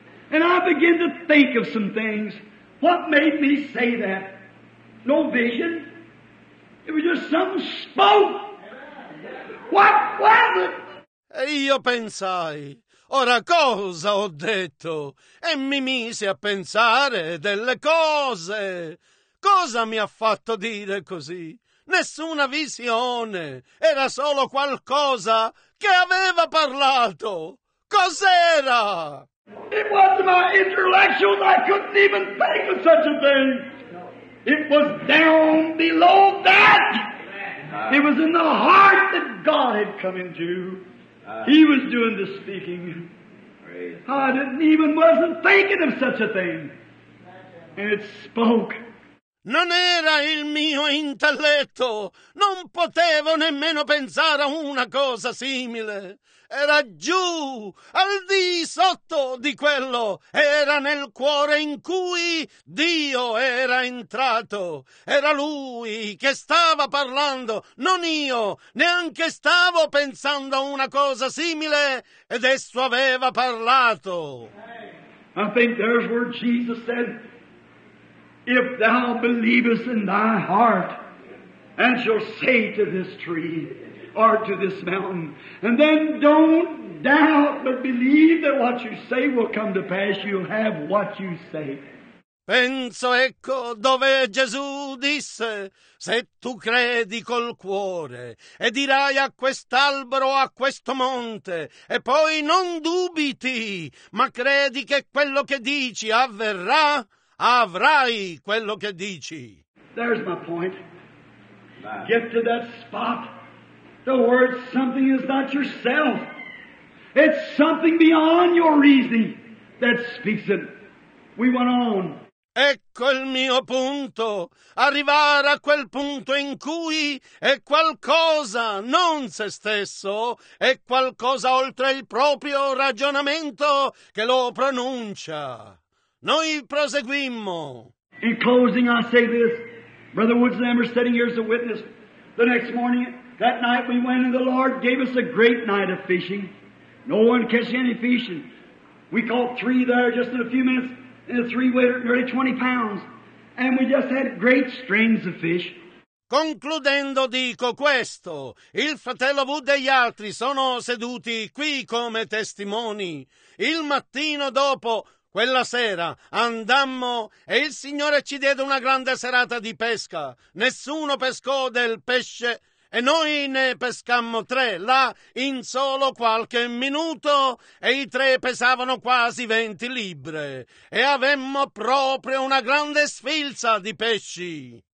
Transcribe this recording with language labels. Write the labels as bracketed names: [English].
[English] And I began to think of some things. What made me say that? No vision. It was just something spoke. What was it? [Italian] E io pensai, ora cosa ho detto? E mi misi a pensare delle cose. Cosa mi ha fatto dire così? Nessuna visione. Era solo qualcosa che aveva parlato. Cos'era? [English] It wasn't my intellectuals. I couldn't even think of such a thing. It was down below that. It was in the heart that God had come into. He was doing the speaking. I didn't even wasn't thinking of such a thing. And it spoke. [Italian] Non era il mio intelletto. Non potevo nemmeno pensare a una cosa simile. Era giù, al di sotto di quello. Era nel cuore in cui Dio era entrato. Era Lui che stava parlando, non io. Neanche stavo pensando a una cosa simile ed esso aveva parlato. [English] I think there's where Jesus said, if thou believest in thy heart, and shall say to this tree, or to this mountain, and then don't doubt, but believe that what you say will come to pass, you'll have what you say. [Italian] Penso, ecco, dove Gesù disse, se tu credi col cuore e dirai a quest'albero o a questo monte, e poi non dubiti, ma credi che quello che dici avverrà, avrai quello che dici. [English] There's my point. Get to that spot. The word something is not yourself. It's something beyond your reasoning that speaks it. We went on. [Italian] Ecco il mio punto. Arrivare a quel punto in cui è qualcosa, non se stesso, è qualcosa oltre il proprio ragionamento che lo pronuncia. Noi proseguimmo. [English] In closing I say this. Brother Woods and I are sitting here as a witness. The next morning, that night we went and the Lord gave us a great night of fishing. No one catched any fish. And we caught three there just in a few minutes. And the three weighed nearly 20 pounds. And we just had great strings of fish. [Italian] Concludendo dico questo. Il fratello Wood e gli altri sono seduti qui come testimoni. Il mattino dopo... Quella sera andammo e il Signore ci diede una grande serata di pesca. Nessuno pescò del pesce e noi ne pescammo tre là in solo qualche minuto e i tre pesavano quasi 20 libbre e avemmo proprio una grande sfilza di pesci.